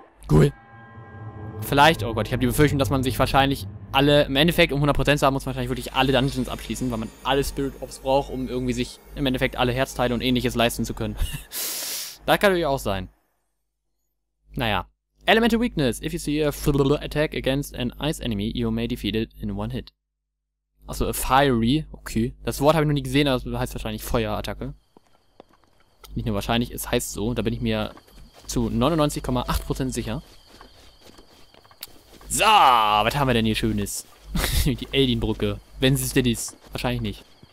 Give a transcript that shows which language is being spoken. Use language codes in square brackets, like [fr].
[de] Cool. Vielleicht, oh Gott, ich habe die Befürchtung, dass man sich wahrscheinlich alle, im Endeffekt, um 100% zu haben, muss man wahrscheinlich wirklich alle Dungeons abschließen, weil man alle Spirit Orbs braucht, um irgendwie sich im Endeffekt alle Herzteile und ähnliches leisten zu können. Das kann natürlich auch sein. Naja. Elemental Weakness. [en] If you see a attack against an ice enemy, you may defeat it in one hit. [de] Achso, Fiery, okay. Das Wort habe ich noch nie gesehen, aber das heißt wahrscheinlich Feuerattacke. Nicht nur wahrscheinlich, es heißt so. Da bin ich mir zu 99,8% sicher. So, was haben wir denn hier Schönes? Die Eldin-Brücke. Wenn sie es denn ist. Wahrscheinlich nicht.